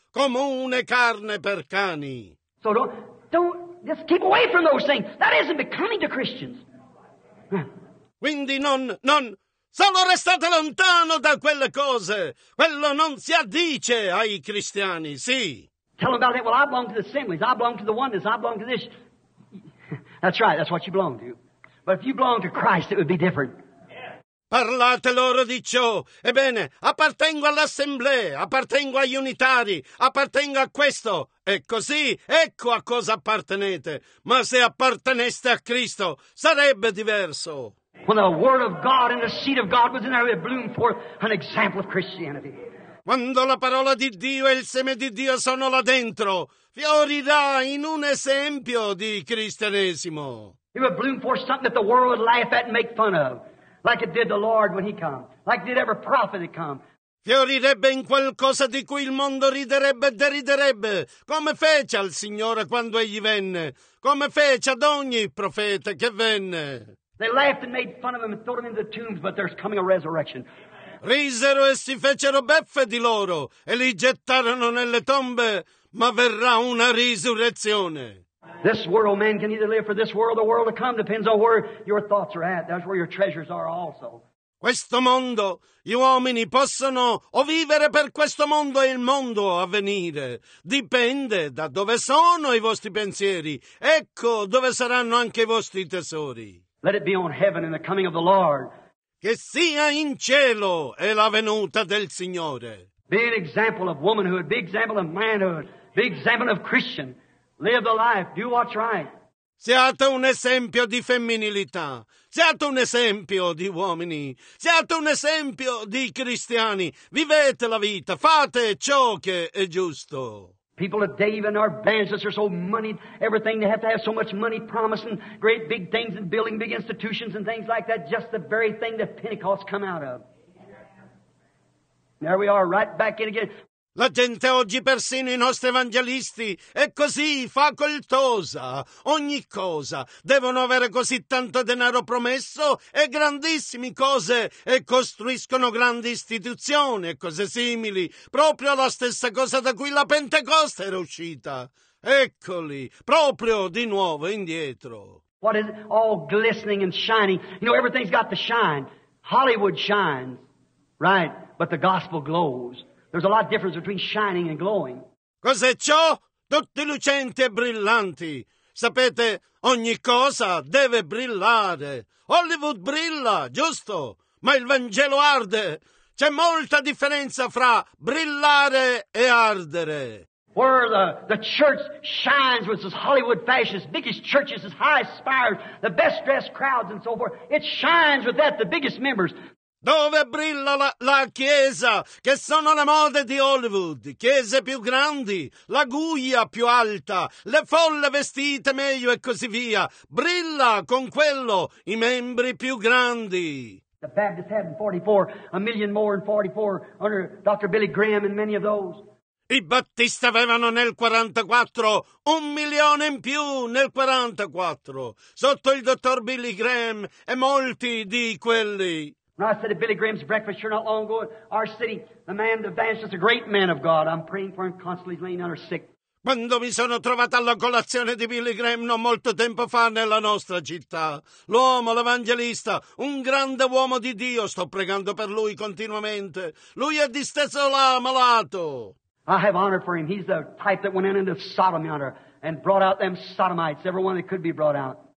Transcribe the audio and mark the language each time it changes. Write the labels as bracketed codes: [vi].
[it] Comune carne per cani. [en] So don't just keep away from those things. That isn't becoming to Christians. [it] Quindi non solo restate lontano da quelle cose. Quello non si addice ai cristiani, sì. [en] Tell them about it. Well, I belong to the assemblies. I belong to the oneness. I belong to this. That's right, that's what you belong to. But if you belong to Christ, it would be different. [it] Parlate loro di ciò. Ebbene, appartengo all'assemblea, appartengo agli unitari, appartengo a questo. E così, ecco a cosa appartenete. Ma se apparteneste a Cristo, sarebbe diverso. [en] When the word of God and the seed of God was in there, it bloomed forth an example of Christianity. [it] Quando la parola di Dio e il seme di Dio sono là dentro, fiorirà in un esempio di cristianesimo. [en] It would bloom forth something that the world would laugh at and make fun of, like it did the Lord when he came, like it did every prophet that came. [it] Fiorirebbe in qualcosa di cui il mondo riderebbe e deriderebbe, come fece al Signore quando egli venne, come fece ad ogni profeta che venne. [en] They laughed and made fun of him and threw him into the tombs, but there's coming a resurrection. [it] Risero e si fecero beffe di loro e li gettarono nelle tombe, ma verrà una risurrezione. [en] This world, man can either live for this world or the world to come, depends on where your thoughts are at. That's where your treasures are also. [it] Questo mondo, gli uomini possono o vivere per questo mondo e il mondo a venire. Dipende da dove sono i vostri pensieri. Ecco dove saranno anche i vostri tesori. [en] Let it be on heaven and the coming of the Lord. [it] Che sia in cielo è la venuta del Signore. [en] Be an example of womanhood, be an example of manhood, be an example of Christian. Live the life, do what's right. [it] Siate un esempio di femminilità, siate un esempio di uomini, siate un esempio di cristiani. Vivete la vita, fate ciò che è giusto. [en] People of David and our bandits are so moneyed, everything, they have to have so much money promising great big things and building big institutions and things like that, just the very thing that Pentecost come out of. There we are, right back in again. [it] La gente oggi, persino i nostri evangelisti, è così facoltosa. Ogni cosa. Devono avere così tanto denaro promesso e grandissime cose e costruiscono grandi istituzioni e cose simili. Proprio la stessa cosa da cui la Pentecoste era uscita. Eccoli, proprio di nuovo indietro. [en] What is all glistening and shining? You know, everything's got to shine. Hollywood shines, right? But the gospel glows. There's a lot of difference between shining and glowing. [it] Cos'è ciò? Tutti lucenti e brillanti. Sapete, ogni cosa deve brillare. Hollywood brilla, giusto? Ma il Vangelo arde. C'è molta differenza fra brillare e ardere. [en] Where the church shines with those Hollywood fashions, biggest churches, its highest spires, the best dressed crowds and so forth. It shines with that, the biggest members. [it] Dove brilla la chiesa, che sono le mode di Hollywood, chiese più grandi, la guglia più alta, le folle vestite meglio e così via. Brilla con quello i membri più grandi. [en] The Baptists had in 44, a million more in 44 under Dr. Billy Graham and many of those. [it] I battisti avevano nel 44 un milione in più nel 44 sotto il dottor Billy Graham e molti di quelli. [en] When I said at Billy Graham's breakfast here not long ago, our city, the man, the evangelist, a great man of God. I'm praying for him constantly, laying under sick. [it] Quando mi sono trovato alla colazione di Billy Graham non molto tempo fa nella nostra città, l'uomo, l'evangelista, un grande uomo di Dio, sto pregando per lui continuamente. Lui è disteso là, malato. [en] I have honor for him. He's the type that went into Sodom yonder and brought out them Sodomites, everyone that could be brought out.